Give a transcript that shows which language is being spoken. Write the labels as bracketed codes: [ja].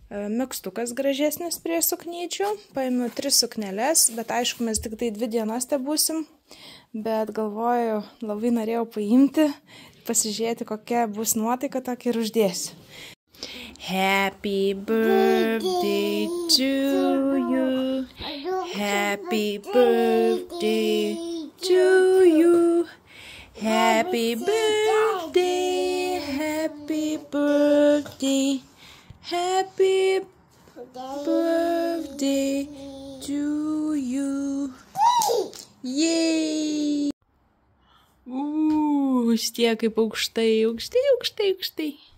[lt] Mėgstukas gražesnis prie suknyčių. Paėmiau 3 suknelės, bet aišku, mes tik tai 2 dienos te būsim. Bet galvoju, labai norėjau paimti, pasižiūrėti, kokia bus nuotaika tokia ir uždėsiu. [en] Happy birthday to you, happy birthday to you, happy birthday, happy birthday, happy birthday to you, yay! [lt] Austėja kaip aukštai, aukštai, aukštai, aukštai.